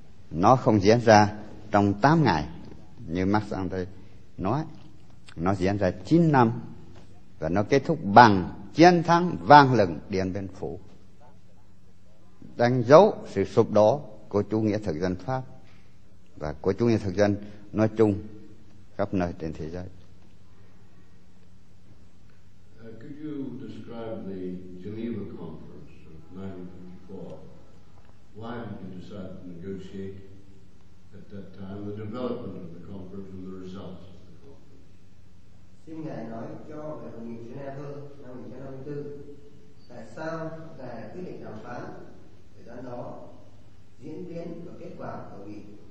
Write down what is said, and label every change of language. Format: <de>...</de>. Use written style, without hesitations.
<vi>Nó không diễn ra trong 8 ngày như Marc-André nói, nó diễn ra 9 năm, và nó kết thúc bằng chiến thắng vang lừng Điện Biên Phủ, đánh dấu sự sụp đổ của chủ nghĩa thực dân Pháp và của chủ nghĩa thực dân nói chung khắp nơi trên thế giới.</vi> <en>Could you describe the Geneva Conference of 1954? Why did you decide to negotiate at that time, the development of the conference and the results?</en> <vi>Xin ngài nói cho về hội nghị Geneva năm 1954. Tại sao ngài quyết định đàm phán thời gian đó, diễn biến và kết quả của hội nghị?</vi>